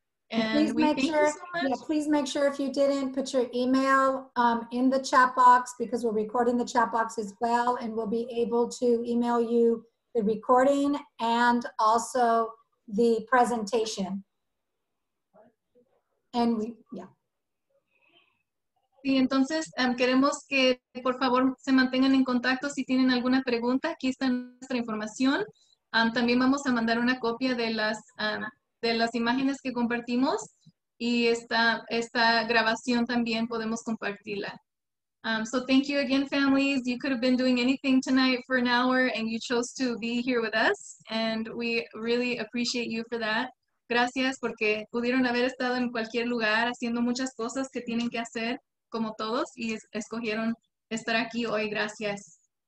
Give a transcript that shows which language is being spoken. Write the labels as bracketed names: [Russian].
[English] Please make sure if you didn't, put your email in the chat box, because we're recording the chat box as well, and we'll be able to email you the recording and also the presentation. And we, yeah. [Spanish] Sí, entonces queremos que por favor se mantengan en contacto si tienen alguna pregunta. Aquí está nuestra información. También vamos a mandar una copia de las imágenes que compartimos y esta grabación también podemos compartirla. [English] So thank you again, families. You could have been doing anything tonight for an hour and you chose to be here with us. And we really appreciate you for that. [Spanish] Gracias porque pudieron haber estado en cualquier lugar haciendo muchas cosas que tienen que hacer como todos y escogieron estar aquí hoy. Gracias.